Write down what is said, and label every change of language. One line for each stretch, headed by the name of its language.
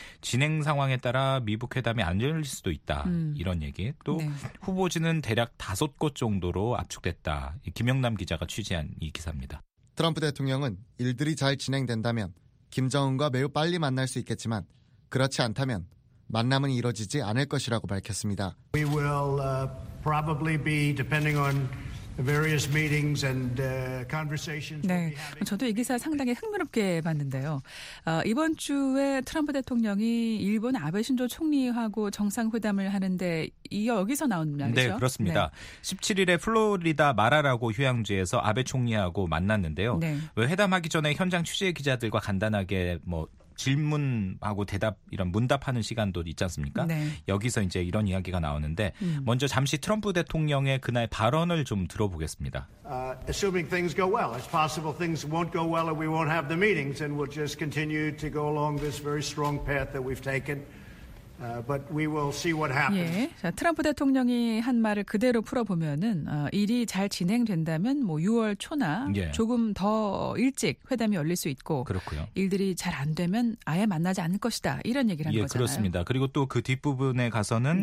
Korean: 진행 상황에 따라 미북 회담이 안 열릴 수도 있다. 이런 얘기. 또 네. 후보지는 대략 다섯 곳 정도로 압축됐다. 김영남 기자가 취재한 이 기사입니다. 트럼프 대통령은 일들이 잘 진행된다면 김정은과 매우 빨리 만날 수 있겠지만 그렇지 않다면 만남은 이뤄지지 않을 것이라고 밝혔습니다.
English: We will probably be depending on various meetings and conversations.
Korean: 네, 저도 이 기사 상당히 흥미롭게 봤는데요. 이번 주에 트럼프 대통령이 일본 아베 신조 총리하고 정상회담을 하는데 여기서 나온 말이죠? 네, 그렇습니다. 네. 17일에 플로리다 마라라고 휴양지에서 아베 총리하고 만났는데요. 네. 회담하기 전에 현장 취재 기자들과 간단하게 뭐 질문하고 대답 이런 문답하는 시간도 있지 않습니까? 네. 여기서 이제 이런 이야기가 나오는데 먼저 잠시 트럼프 대통령의 그날 발언을 좀 들어보겠습니다.
English: Assuming things go well, it's possible things won't go well and we won't have the meetings and we'll just continue to go along this very strong path that we've taken. But we will see what happens.
Korean: 예, 자, 트럼프 대통령이 한 말을 그대로 풀어보면은 일이 잘 진행된다면 뭐 6월 초나 예. 조금 더 일찍 회담이 열릴 수 있고 그렇고요. 일들이 잘 안 되면 아예 만나지 않을 것이다 이런 얘기를 한 예, 거잖아요. 그렇습니다. 그리고 또 그 뒷부분에 가서는